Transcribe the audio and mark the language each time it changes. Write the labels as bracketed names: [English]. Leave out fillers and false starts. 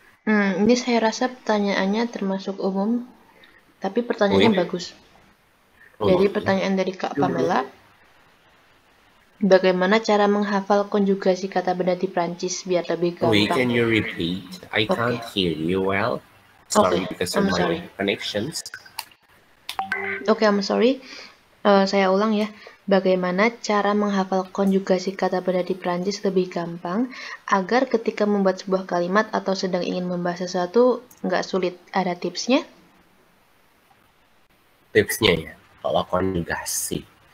[Indonesian] Ini saya rasa pertanyaannya termasuk umum, tapi pertanyaannya bagus. Jadi pertanyaan dari Kak Pamela, bagaimana cara menghafal konjugasi kata benda di Prancis biar lebih gampang? [English] Wait, can you repeat? I can't hear you well. Sorry, because of my connections. Okay, I'm sorry. [Indonesian] Saya ulang ya. Bagaimana cara menghafal konjugasi kata benda di Prancis lebih gampang agar ketika membuat sebuah kalimat atau sedang ingin membahas sesuatu nggak sulit? Ada tipsnya? Tipsnya ya, kalau konjugasi.